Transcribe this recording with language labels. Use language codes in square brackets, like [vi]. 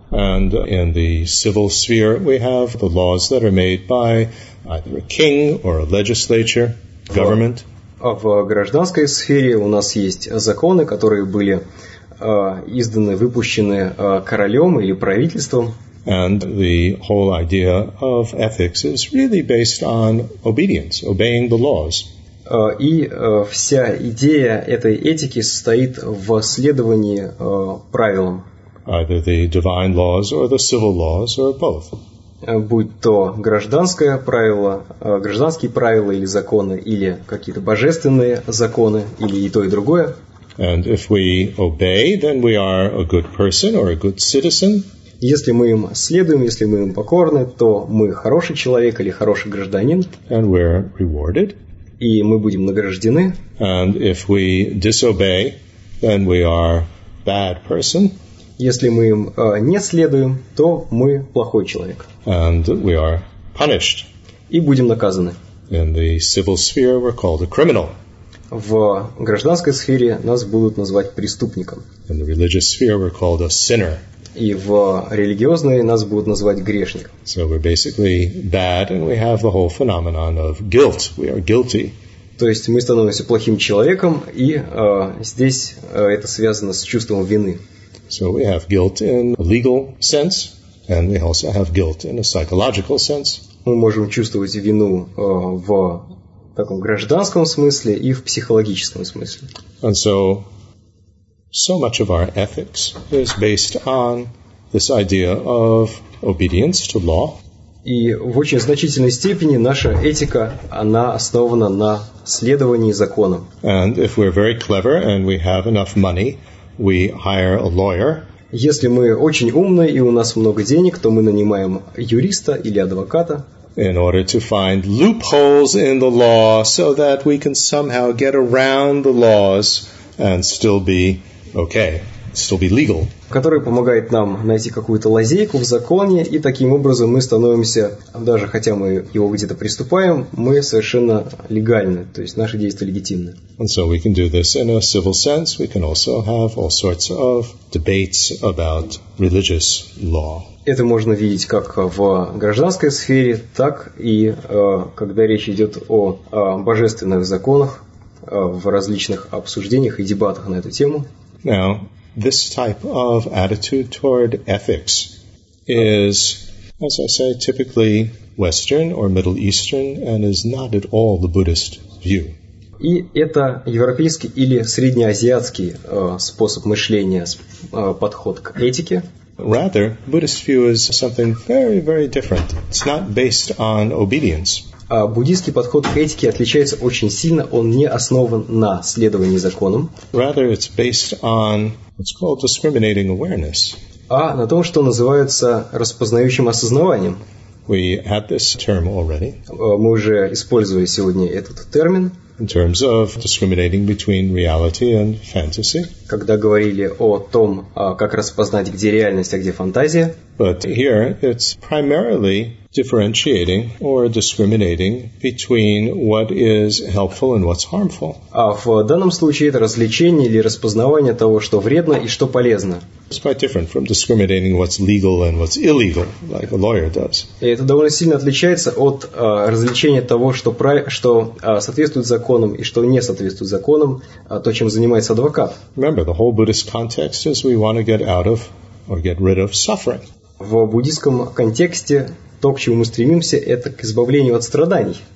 [en] And in the civil sphere we have the laws that are made by either a king or a legislature, government. [ru] В гражданской сфере у нас есть законы, которые были изданы, выпущены королем или правительством. [en] And the whole idea of ethics is really based on obedience, obeying the laws. [ru] И вся идея этой этики состоит в следовании правилам. [en] Either the divine laws or the civil laws or both. [ru] Будь то гражданское правило, гражданские правила или законы, или какие-то божественные законы, или и то, и другое. [en] And if we obey, then we are a good person or a good citizen. [ru] Если мы им следуем, если мы им покорны, то мы хороший человек или хороший гражданин. [en] And we're rewarded. [ru] И мы будем награждены. [en] And if we disobey, then we are a bad person. [ru] Если мы им не следуем, то мы плохой человек. [en] And we are punished. [ru] И будем наказаны. [en] In the civil sphere, we're called a criminal. [ru] В гражданской сфере нас будут называть преступником. [en] In the religious sphere, we're called a sinner. [ru] И в религиозной нас будут называть грешником. [en] So we're basically bad, and we have the whole phenomenon of guilt. We are guilty. [ru] То есть мы становимся плохим человеком, и здесь это связано с чувством вины. [en] So we have guilt in a legal sense, and we also have guilt in a psychological sense. [ru] Мы можем чувствовать вину в таком гражданском смысле и в психологическом смысле. [en] And so so much of our ethics is based on this idea of obedience to law. [ru] И в очень значительной степени наша этика, она основана на следовании законам. [en] And if we're very clever and we have enough money, we hire a lawyer. [ru] Если мы очень умны и у нас много денег, то мы нанимаем юриста или адвоката. [en] In order to find loopholes in the law so that we can somehow get around the laws and still be okay, still be legal. [ru] Который помогает нам найти какую-то лазейку в законе, и таким образом мы становимся, даже хотя мы его где-то приступаем, мы совершенно легальны, то есть наши действия легитимны. [en] And so we can do this in a civil sense. We can also have all sorts of debates about religious law. [ru] Это можно видеть как в гражданской сфере, так и когда речь идет о божественных законах, в различных обсуждениях и дебатах на эту тему. [en] Now, this type of attitude toward ethics is, as I say, typically Western or Middle Eastern and is not at all the Buddhist view. [ru] И это европейский или среднеазиатский способ мышления, подход к этике. [en] Rather, Buddhist view is something very, very different. It's not based on obedience. [ru] А буддийский подход к этике отличается очень сильно. Он не основан на следовании законам. [en] Rather, it's based on what's called discriminating awareness. [ru] А на том, что называется распознающим осознаванием. [en] We had this term already. [ru] Мы уже использовали сегодня этот термин. [en] In terms of discriminating between reality and fantasy. [ru] Когда говорили о том, как распознать, где реальность, а где фантазия. [en] But here it's primarily differentiating or discriminating between what is helpful and what's harmful. [ru] А в данном случае это развлечение или распознавание того, что вредно и что полезно. [en] It's quite different from discriminating what's legal and what's illegal, like a lawyer does. [ru] И это довольно сильно отличается от развлечения того, что соответствует законам и что не соответствует законам, то, чем занимается адвокат. [en] Remember, the whole Buddhist context is we want to get out of or get rid of suffering. [ru] В буддийском контексте то, к чему мы стремимся, это к избавлению от страданий.